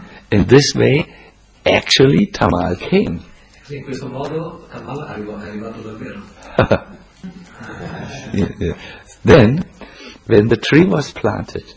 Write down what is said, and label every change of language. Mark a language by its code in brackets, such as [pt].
[en] In this way, actually, Tamal came. [it] In questo modo, Tamal è arrivato davvero. [en] Then, when the tree was planted,